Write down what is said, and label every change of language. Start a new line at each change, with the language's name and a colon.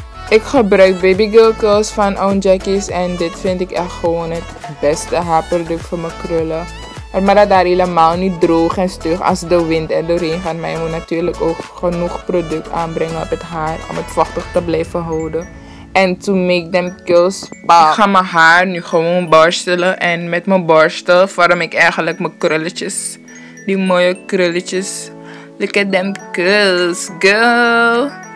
Dutch: Ik gebruik Baby Girl Curls van Own Jackies en dit vind ik echt gewoon het beste haarproduct voor mijn krullen. Maar dat daar helemaal niet droog en stug als de wind er doorheen gaat. Maar je moet natuurlijk ook genoeg product aanbrengen op het haar om het vochtig te blijven houden.
English: En to make them curls pop.
Dutch: Ik ga mijn haar nu gewoon borstelen en met mijn borstel vorm ik eigenlijk mijn krulletjes. Die mooie krulletjes.
English: Look at them curls, girl.